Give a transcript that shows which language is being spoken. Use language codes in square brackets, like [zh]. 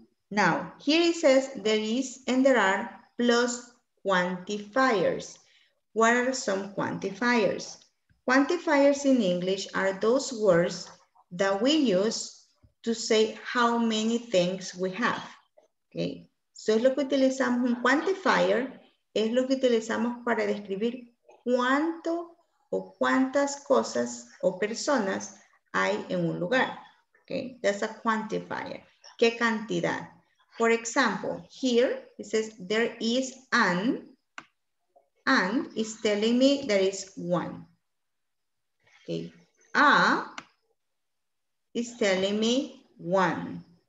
[en] Now, here it says, there is and there are plus quantifiers. What are some quantifiers? Quantifiers in English are those words that we use to say how many things we have. Okay. [es] So es lo que utilizamos, un quantifier es lo que utilizamos para describir cuánto o cuántas cosas o personas hay en un lugar. [en] Okay. That's a quantifier. [es] ¿Qué cantidad? [en] For example, here it says there is an, and is telling me there is one. Okay, a is telling me one.